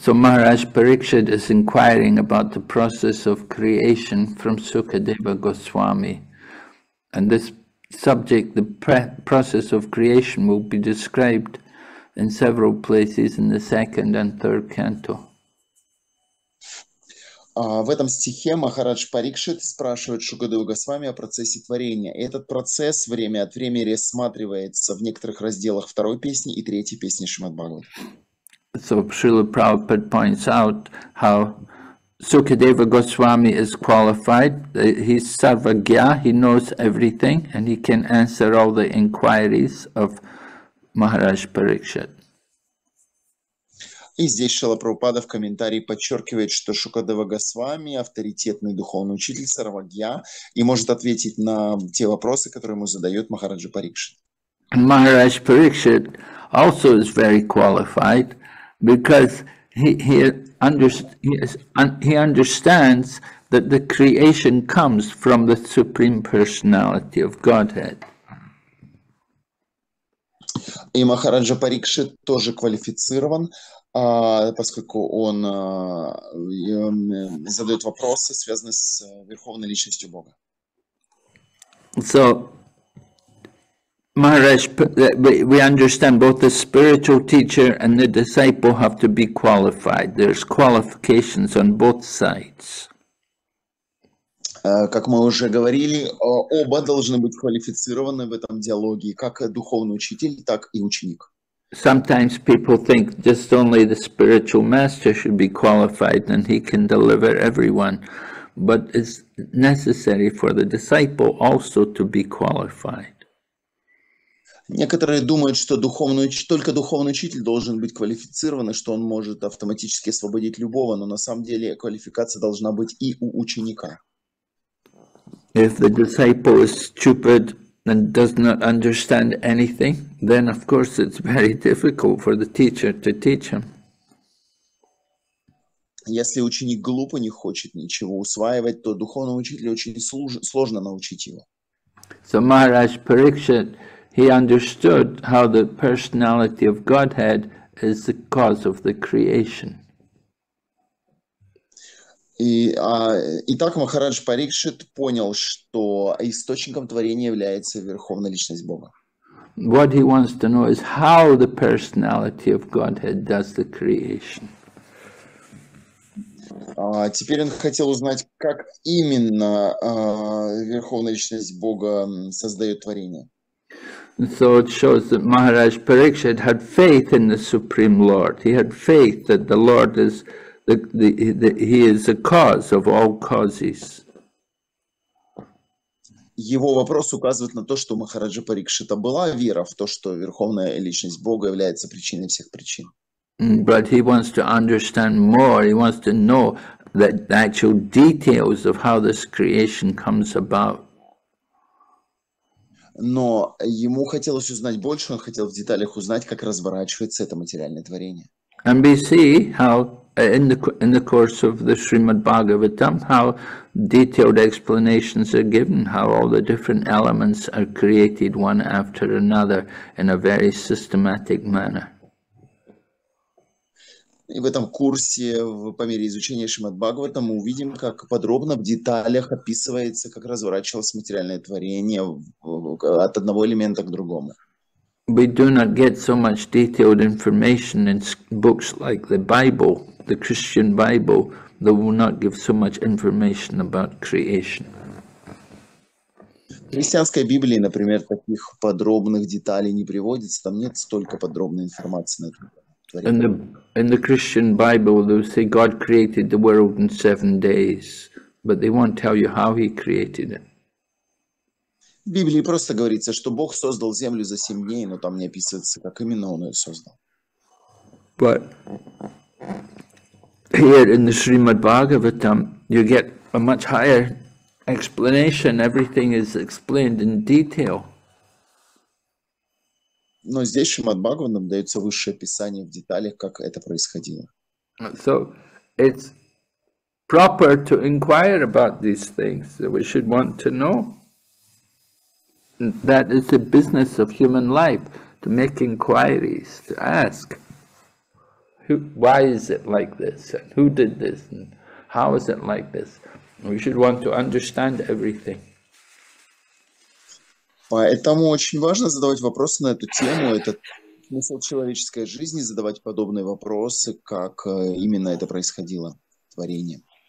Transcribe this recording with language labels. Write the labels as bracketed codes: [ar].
[en] So Maharaj Parikshit is inquiring about the process of creation from Sukadeva Goswami, and this subject, the process of creation, will be described in several places in the second and third canto. [ru] В этом стихе Махарадж Парикшит спрашивает Шукадеву Госвами о процессе творения. Этот процесс время от времени рассматривается в некоторых разделах второй песни и третьей песни Шримад-Бхагавата. [en] So Srila Prabhupada points out how Sukadeva Goswami is qualified. He's sarvagya, he knows everything, and he can answer all the inquiries of Maharaj Parikshit. [ru] И здесь Шрила Прабхупада в комментарии подчеркивает, что Шукадева Госвами – авторитетный духовный учитель сарвагья и может ответить на те вопросы, которые ему задает Махараджа Парикшит. [en] Maharaj Parikshit also is very qualified, because he understands that the creation comes from the Supreme Personality of Godhead. [ru] И Махараджа Парикшит тоже квалифицирован, поскольку он задает вопросы, связанные с Верховной Личностью Бога. [en] So, Maharaj, we understand both the spiritual teacher and the disciple have to be qualified. There's qualifications on both sides. [ru] Как мы уже говорили, оба должны быть квалифицированы в этом диалоге, как духовный учитель, так и ученик. [en] Sometimes people think just only the spiritual master should be qualified and he can deliver everyone, but it's necessary for the disciple also to be qualified. [ru] Некоторые думают, что только духовный учитель должен быть квалифицирован, что он может автоматически освободить любого, но на самом деле квалификация должна быть и у ученика. [en] If the disciple is stupid and does not understand anything, then of course it's very difficult for the teacher to teach him. [ru] Если ученик глуп и не хочет ничего усваивать, то духовному учителю очень сложно научить его. [en] So Maharaj Parikshit, he understood how the personality of Godhead is the cause of the creation. [ru] Итак, Махарадж Парикшит понял, что источником творения является Верховная Личность Бога. [en] What he wants to know is how the personality of Godhead does the creation. [ru] Теперь он хотел узнать, как именно Верховная Личность Бога создает творение. [en] So it shows that Maharaj Parikshit had faith in the Supreme Lord. He had faith that the Lord is he is the cause of all causes. [ru] Его вопрос указывает на то, что у Махараджа Парикшита была вера в то, что Верховная Личность Бога является причиной всех причин. [en] But he wants to understand more. He wants to know the actual details of how this creation comes about. [ru] но ему хотелось узнать больше, он хотел в деталях узнать, как разворачивается это материальное творение. [en] And we see how in the course of the Srimad Bhagavatam how detailed explanations are given, how all the different elements are created one after another in a very systematic manner. [ru] И в этом курсе, по мере изучения Шримад Бхагаватам, мы увидим, как подробно в деталях описывается, как разворачивалось материальное творение от одного элемента к другому. [en] We do not get so much detailed information in books like the Bible, the Christian Bible, that will not give so much information about creation. [ru] В христианской Библии, например, таких подробных деталей не приводится, там нет столько подробной информации на это. [en] In the Christian Bible, they will say God created the world in 7 days, but they won't tell you how He created it. [ru] В Библии просто говорится, что Бог создал землю за 7 дней, но там не описывается, как именно Он ее создал. [en] But here in the Srimad Bhagavatam, you get a much higher explanation. Everything is explained in detail. [ru] Но здесь Шримад Бхагаватам дается высшее описание в деталях, как это происходило. [en] So it's proper to inquire about these things. We should want to know. That is the business of human life, to make inquiries, to ask, why is it like this, and who did this, and how is it like this? We should want to understand everything. [ru] Поэтому очень важно задавать вопросы на эту тему, это смысл человеческой жизни, задавать подобные вопросы, как именно это происходило, творение.